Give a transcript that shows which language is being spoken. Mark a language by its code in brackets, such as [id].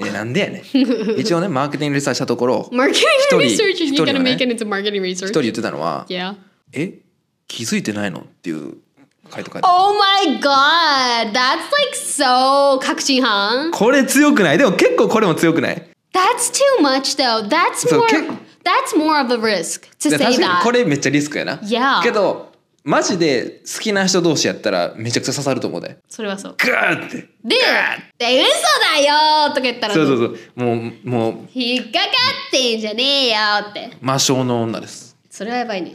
[ja] えなんでやね一応ねマーケティングリサーチしたところマーケティングリサーチ一人、ね、 [en] make it into marketing research. [ja] 一人言ってたのは、 [en] yeah. [ja] え気づいてないのっていう回答書いて [en] Oh my god that's like so [ja] 確信犯これ強くないでも結構これも強くない [en] That's too much though that's moreThat's more of a risk to say that. [ja] 確かにこれめっちゃリスクやな。 [en] Yeah. [ja] けどマジで好きな人同士やったらめちゃくちゃ刺さると思うで。それはそう。ガーって。で、で嘘だよーとか言ったら。そうそうそう。もう。引っかかってんじゃねえよーって。魔性の女です。それはやばいね。